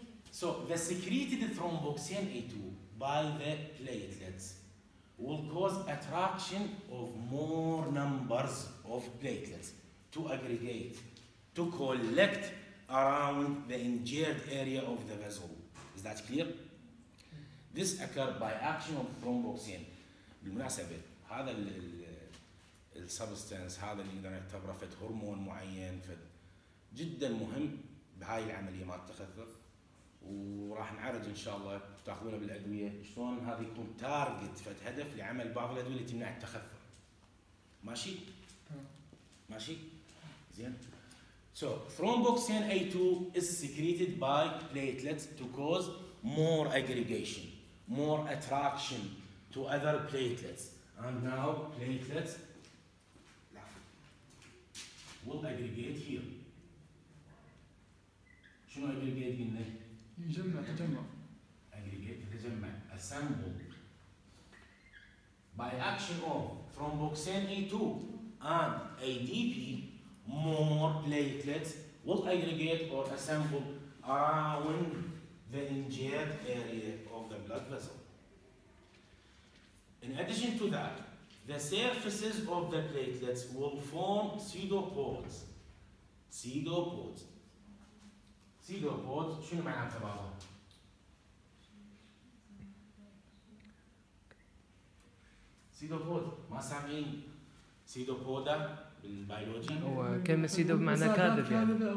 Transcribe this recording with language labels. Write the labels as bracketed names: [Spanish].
[English] So the secreted thromboxane A2 by the platelets will cause attraction of more numbers of platelets to aggregate, to collect around the injured area of the vessel. Is that clear? This occurs by action of thromboxane. [Arabic] بالمناسبة هذا السبستنس هذا اللي نقدر نعتبره فد هرمون معين فد جدا مهم بهاي العملية مال التخثر وراح نعرج ان شاء الله تاخذونه بالادوية شلون هذا يكون تارجت فد هدف لعمل بعض الادوية اللي تمنع التخثر ماشي زين [English] so thromboxane A2 is secreted by platelets to cause more aggregation more attraction to other platelets and now platelets will aggregate here. [Arabic] شنو aggregate قلنا؟ تجمع. [English] Aggregate [Arabic] تجمع. [English] Assemble. By action of thromboxane A2 and ADP, more platelets will aggregate or assemble around the injured area of the blood vessel. In addition to that, the surfaces of the platelets will form pseudopores. [Arabic] سيدوبود. سيدوبود شنو معناته بابا؟ سيدوبود ما سامعين سيدوبودا بالبيولوجي؟ هو كلمة سيدوب معنى كاذب يعني.